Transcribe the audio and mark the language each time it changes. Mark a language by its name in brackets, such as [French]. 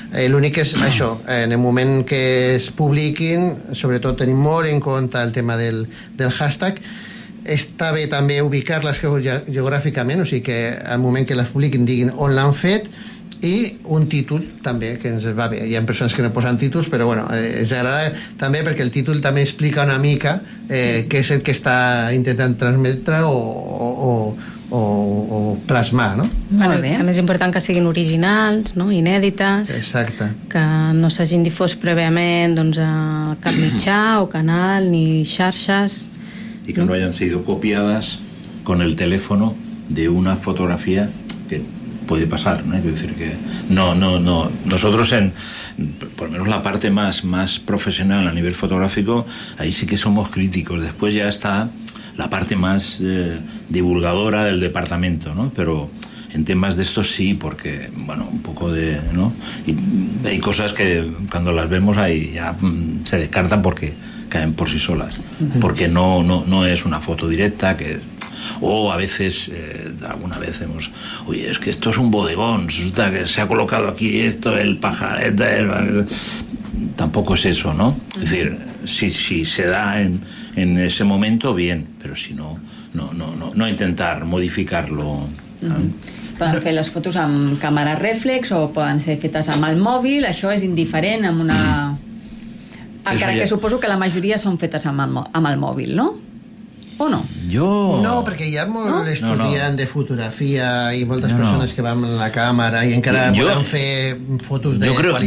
[Catalan] L'únic és això, en el moment que es publiquin, sobretot tenim molt en compte el tema del hashtag, està bé també ubicar-les geogràficament, o sigui que al moment que les publiquin diguin on l'han fet, i un títol també, que ens va bé. Hi ha persones que no posen títols, però bueno, ens agrada també perquè el títol també explica una mica què és el que està intentant transmetre o plasmar, no? Molt bé. També és important que siguin originals, no? Inèdites. Exacte. Que no s'hagin difós prèviament doncs, a cap mitjà o canal ni xarxes. [Spanish] I que no hayan sido copiadas con el teléfono de una fotografía que puede pasar, ¿no? Quiero decir que no. Nosotros en por lo menos la parte más profesional a nivel fotográfico, ahí sí que somos críticos. Después ya está la parte más divulgadora del departamento, ¿no? Pero en temas de estos sí, porque bueno, un poco de, ¿no? Y hay cosas que cuando las vemos ahí ya se descartan porque caen por sí solas. Porque no es una foto directa, que o a veces, alguna vez hemos, oye, es que esto es un bodegón, resulta que se ha colocado aquí esto, el pajarete, tampoco es eso, ¿no? Es decir, si se da en ese momento, bien, pero si no, no intentar modificarlo. [Catalan] Poden fer les fotos amb càmera reflex o poden ser fetes amb el mòbil, això és indiferent amb una... Encara que suposo que la majoria són fetes amb el mòbil, no? O no? Jo... No, perquè hi ha molt estudiant de fotografia i moltes persones que van amb la càmera i encara poden fer fotos de qualitat.